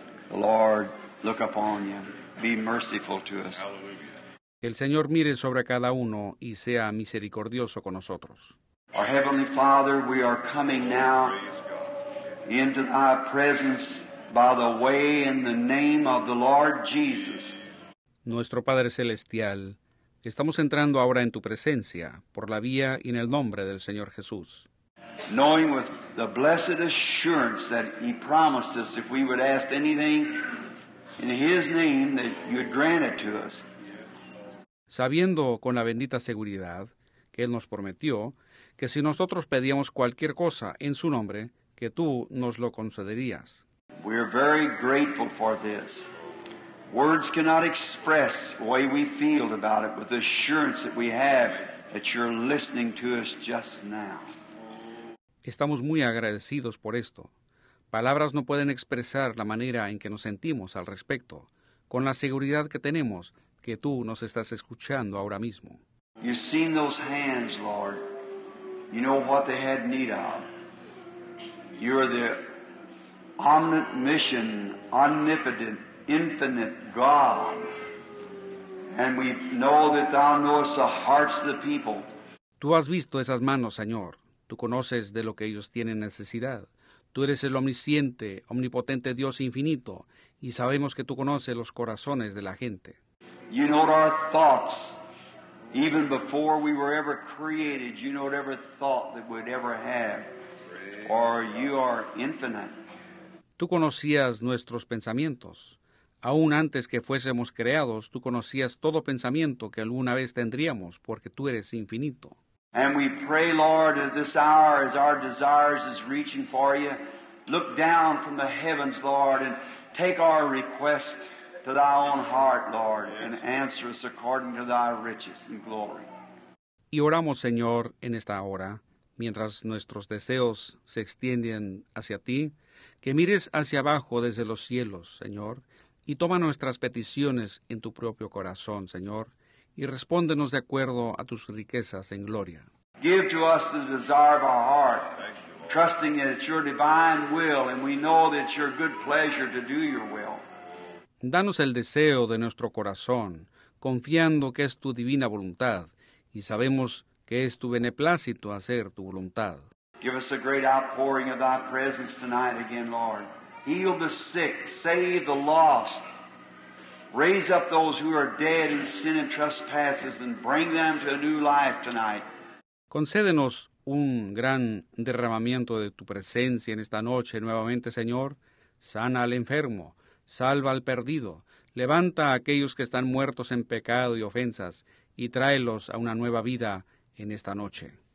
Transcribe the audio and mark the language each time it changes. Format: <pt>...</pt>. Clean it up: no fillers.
<en>Lord, look upon you. Be merciful to us. Hallelujah.</en> <es>Que el Señor mire sobre cada uno y sea misericordioso con nosotros.</es> <en>Our Heavenly Father, we are coming now into Thy presence by the way in the name of the Lord Jesus.</en> <es>Nuestro Padre Celestial, estamos entrando ahora en Tu presencia por la vía y en el nombre del Señor Jesús.</es> <en>Knowing with the blessed assurance that He promised us if we would ask anything in His name that You would grant it to us.</en> <es>Sabiendo con la bendita seguridad que Él nos prometió que si nosotros pedíamos cualquier cosa en su nombre, que tú nos lo concederías.</es> <en>We are very grateful for this. Words cannot express the way we feel about it with the assurance that we have that you're listening to us just now.</en> <es>Estamos muy agradecidos por esto. Palabras no pueden expresar la manera en que nos sentimos al respecto, con la seguridad que tenemos que tú nos estás escuchando ahora mismo.</es> <en>You've seen those hands, Lord. You know what they had need of. You are the omniscient, omnipotent, infinite God. And we know that thou knowest the hearts of the people.</en> <es>Tú has visto esas manos, Señor. Tú conoces de lo que ellos tienen necesidad. Tú eres el omnisciente, omnipotente Dios infinito. Y sabemos que tú conoces los corazones de la gente.</es> <en>You know our thoughts, even before we were ever created, you know every thought that we'd ever have, or you are infinite.</en> <es>Tú conocías nuestros pensamientos. Aún antes que fuésemos creados, tú conocías todo pensamiento que alguna vez tendríamos, porque tú eres infinito.</es> <en>And we pray, Lord, at this hour, as our desires is reaching for you, look down from the heavens, Lord, and take our request to thy own heart, Lord, and answer us according to thy riches and glory.</en> <es>Y oramos, Señor, en esta hora, mientras nuestros deseos se extienden hacia ti, que mires hacia abajo desde los cielos, Señor, y toma nuestras peticiones en tu propio corazón, Señor, y respóndenos de acuerdo a tus riquezas en gloria.</es> <en>Give to us the desire of our heart, trusting that it's your divine will, and we know that it's your good pleasure to do your will.</en> <es>Danos el deseo de nuestro corazón, confiando que es tu divina voluntad, y sabemos que es tu beneplácito hacer tu voluntad.</es> <en>Give us a great outpouring of thy presence tonight again, Lord. Heal the sick, save the lost. Raise up those who are dead in sin and trespasses and bring them to a new life tonight.</en> <es>Concédenos un gran derramamiento de tu presencia en esta noche nuevamente, Señor. Sana al enfermo, salva al perdido, levanta a aquellos que están muertos en pecado y ofensas y tráelos a una nueva vida en esta noche.</es>